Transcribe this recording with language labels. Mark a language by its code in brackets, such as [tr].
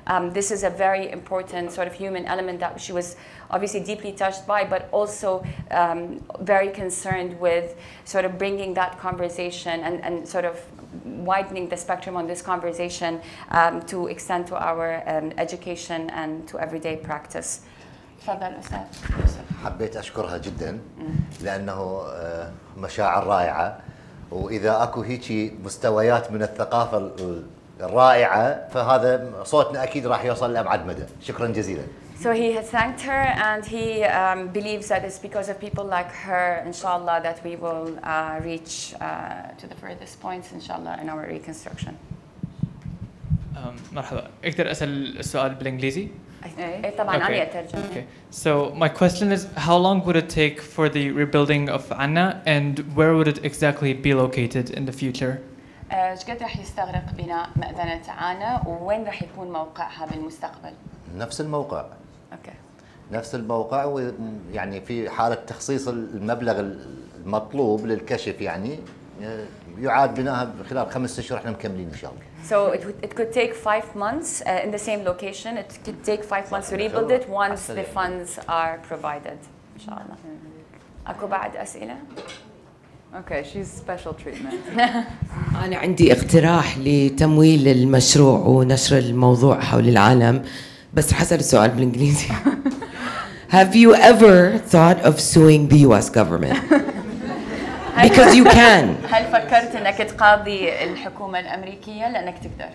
[en] this is a very important sort of human element that she was obviously deeply touched by, but also very concerned with sort of bringing that conversation and sort of widening the spectrum on this conversation to extend to our education and to everyday practice. [ar] تفضل أستاذ. حبيت أشكرها جدا لأنه مشاعر رائعة، وإذا أكو هيجي مستويات من الثقافة الرائعة فهذا صوتنا أكيد راح يوصل لأبعد مدى. شكرا جزيلا. So he has thanked her and he believes that it's because of people like her, inshallah, that we will reach to the furthest points, inshallah, in our reconstruction. مرحبا. أقدر أسأل السؤال بالإنجليزي؟ طبعاً أنا أترجم. [en] Okay. So my question is, how long would it take for the rebuilding of Anna, and where would it exactly be located in the future? [ar] شقد رح يستغرق بناء مأذنة عانا، ووين رح يكون موقعها بالمستقبل؟ نفس الموقع. [en] Okay. [ar] نفس الموقع، ويعني في حالة تخصيص المبلغ المطلوب للكشف يعني يعاد بناها خلال 5 أشهر، احنا مكملين ان شاء الله. [en] So it could take 5 months in the same location. It could take 5 months to rebuild it once the funds are provided. [ar] ان شاء الله. اكو بعد اسئلة؟ [en] Okay, she's special treatment. [ar] انا عندي اقتراح لتمويل المشروع ونشر الموضوع حول العالم. بس حسب السؤال بالإنجليزي. [en] Have you ever thought of suing the U.S. government? Because you can. [ar] هل فكرت أنك تقاضي الحكومة الأمريكية لأنك تقدر؟